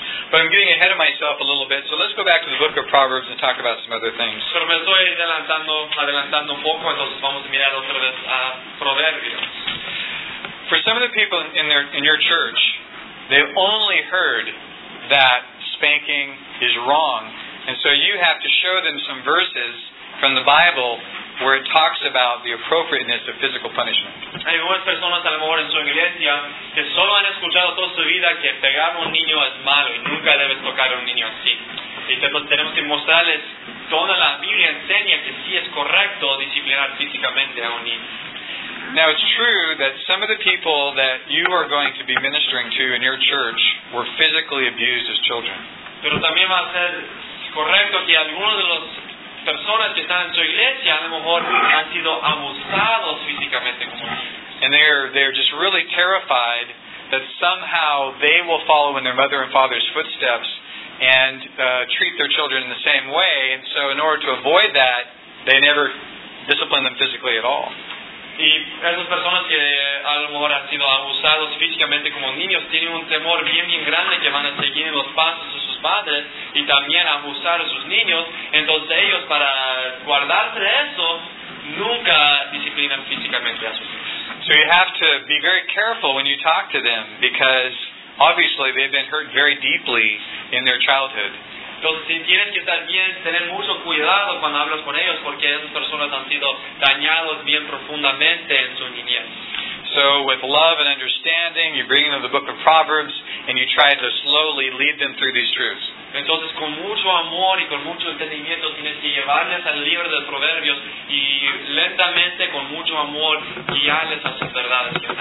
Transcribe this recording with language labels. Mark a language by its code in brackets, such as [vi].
[en] But I'm getting ahead of myself a little bit, so let's go back to the book of Proverbs and talk about some other things. [es] Pero me estoy adelantando un poco, entonces vamos a mirar otra vez a Proverbios. [en] For some of the people in your church, they've only heard that spanking is wrong, and so you have to show them some verses from the Bible where it talks about the appropriateness of physical punishment. [es] Hay algunas personas a lo mejor en su iglesia que solo han escuchado toda su vida que pegar a un niño es malo y nunca debes tocar a un niño así. Y entonces tenemos que mostrarles toda la Biblia enseña que sí es correcto disciplinar físicamente a un niño. [en] Now it's true that some of the people that you are going to be ministering to in your church were physically abused as children. [es] Pero también va a ser correcto que algunos de los personas que están en su iglesia a lo mejor han sido abusados físicamente. [en] And they're just really terrified that somehow they will follow in their mother and father's footsteps and treat their children in the same way. And so in order to avoid that, they never discipline them physically at all. [es] Y esas personas que a lo mejor han sido abusados físicamente como niños tienen un temor bien bien grande que van a seguir en los pasos de sus padres y también abusar a sus niños. Entonces ellos, para guardarse de eso, nunca disciplinan físicamente a sus hijos. [en] So you have to be very careful when you talk to them, because obviously they've been hurt very deeply in their childhood. [es] Entonces tienes que también tener mucho cuidado cuando hablas con ellos, porque esas personas han sido dañados bien profundamente en su niñez. [en] So with love and understanding, you bring them the book of Proverbs and you try to slowly lead them through these truths. [es] Entonces con mucho amor y con mucho entendimiento tienes que llevarles al libro de Proverbios y lentamente con mucho amor guiarles a sus verdades.